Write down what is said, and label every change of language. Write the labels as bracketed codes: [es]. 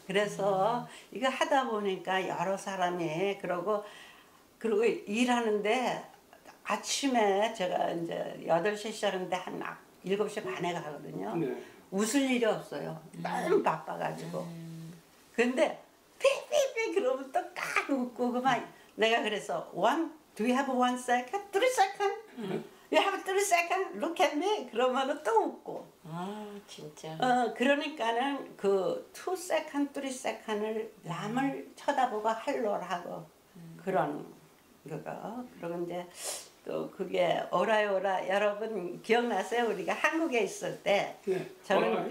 [ko] 그래서 이거 하다 보니까 여러 사람이 그러고 일하는데, 아침에 제가 이제 8시에 시작하는데 한 7시 반에 가거든요. 웃을 일이 없어요. 너무 바빠가지고. 근데 삐삐삐 그러면 또까 웃고 그만. 내가 그래서 [en] one, do you have one second? 3 seconds? You have 3 seconds? Look at me. [ko] 그러면 또 웃고. 아, 진짜. 그러니까는 그 2 seconds, 3 seconds을 남을 쳐다보고 할로라고 그런 그거. 그리고 이제 또 그게 오라요라 여러분 기억나세요? 우리가 한국에 있을 때 저는